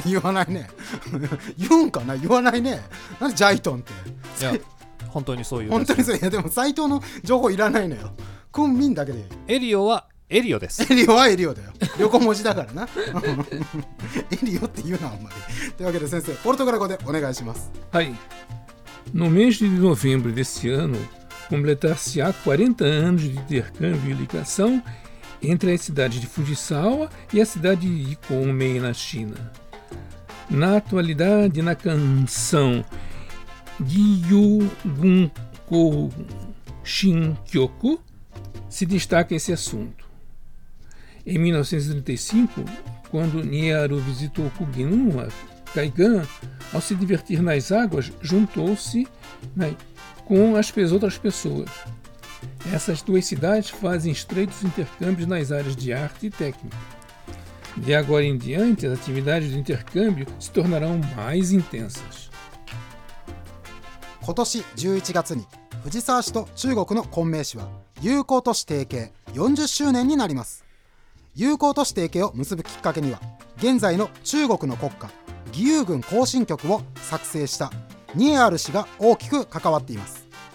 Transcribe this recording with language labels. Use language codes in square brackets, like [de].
[ja] 言わないね言うんかな、言わないね。なんでジャイトンって。いや本当にそういう、本当にそう。いやでも斉藤の情報いらないのよ、昆明だけで。エリオはエリオです。エリオはエリオだよ、横文字だからなエリオって言うなあんまり。というわけで先生、ポルトガル語でお願いします。はい。 [pt] No mês de novembro deste ano, completar-se-á 40 anos de intercâmbio e ligação entre a cidade de Fujisawa e a cidade de Kunming, na China. Na atualidade, na canção Gyugunko-Shinkyoku, se destaca esse assunto. Em 1935, quando Nieru visitou Kuginuma, Kaigan, ao se divertir nas águas, juntou-se, né, com as outras pessoas. Essas duas cidades fazem estreitos intercâmbios nas áreas de arte e técnica. De agora em diante, as atividades de intercâmbio se tornarão mais intensas. [ja] 今年11月に藤沢市と中国の昆明市は友好都市提携40周年になります。友好都市提携を結ぶきっかけには、現在の中国の国歌義勇軍行進曲を作成したニエアル氏が大きく関わっています。